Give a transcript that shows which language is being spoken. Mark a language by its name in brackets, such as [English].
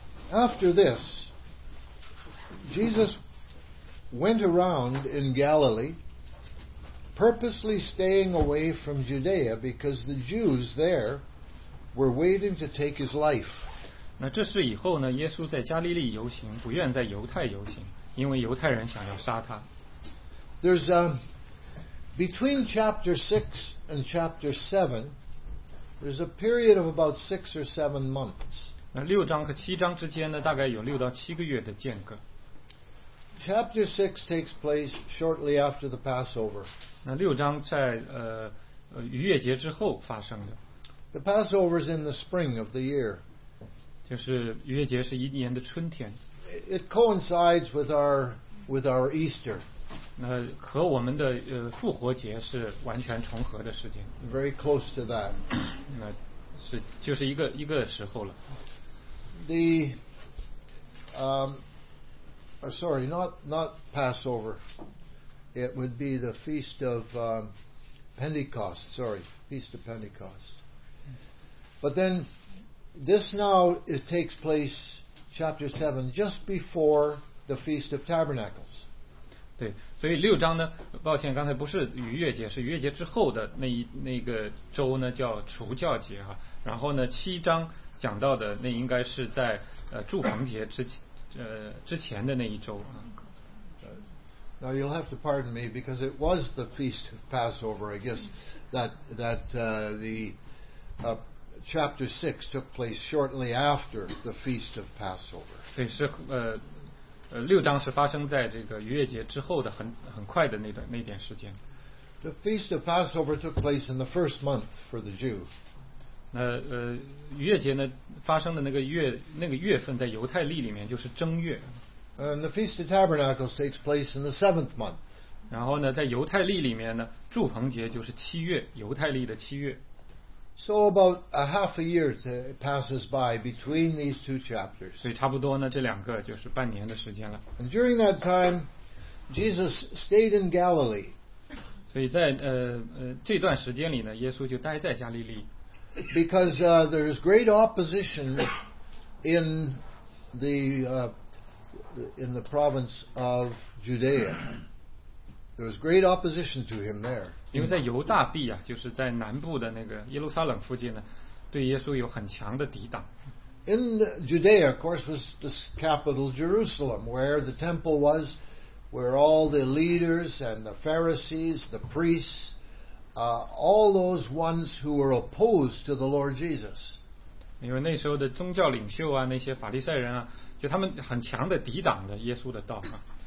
[English] After this, Jesus went around in Galilee, purposely staying away from Judea because the Jews there were waiting to take his life. [Chinese] 那这是以后呢？耶稣在加利利游行，不愿在犹太游行，因为犹太人想要杀他。 [English] There's between chapter 6 and chapter 7, there's a period of about 6 or 7 months. [Chinese] 那六章和七章之间呢，大概有六到七个月的间隔。 [English] Chapter 6 takes place shortly after the Passover. [Chinese] 那六章在逾越节之后发生的。 [English] The Passover is in the spring of the year. [Chinese] 就是逾越节是一年的春天。 [English] It coincides with our Easter. [Chinese] 那和我们的复活节是完全重合的时间。 [English] Very close to that. [Chinese] 那是就是一个时候了。 [English] The sorry, not Passover. It would be the Feast of Pentecost. Sorry, Feast of Pentecost. But then, this now it takes place, chapter 7, just before the Feast of Tabernacles. [Chinese] 对，所以六章呢，抱歉，刚才不是逾越节，是逾越节之后的那个周呢，叫除酵节哈。然后呢，七章讲到的那应该是在祝棚节之前。之前的那一周啊。 [English] Now you'll have to pardon me because it was the Feast of Passover, I guess, that chapter 6 took place shortly after the Feast of Passover. [Chinese] 对，是六章是发生在这个逾越节之后的很快的那点时间。 [English] The Feast of Passover took place in the first month for the Jew. [Chinese] 逾越节呢发生的那个月份在犹太历里面就是正月。 [English] And the Feast of Tabernacles takes place in the seventh month. [Chinese] 然后呢在犹太历里面呢祝棚节就是七月，犹太历的七月。 [English] So about a half a year passes by between these two chapters. [Chinese] 所以差不多呢这两个就是半年的时间了。 [English] And during that time, Jesus stayed in Galilee. [Chinese] 所以在这段时间里呢耶稣就待在加利利。 [English] Because there is great opposition in the province of Judea. There was great opposition to him there. [Chinese] 因为在犹大地啊，就是在南部的那个耶路撒冷附近呢，对耶稣有很强的抵挡。 [English] In Judea, of course, was the capital Jerusalem, where the temple was, where all the leaders and the Pharisees, the priests. All those ones who were opposed to the Lord Jesus. [Chinese] 因为那时候的宗教领袖啊，那些法利赛人啊，就他们很强的抵挡的耶稣的道啊。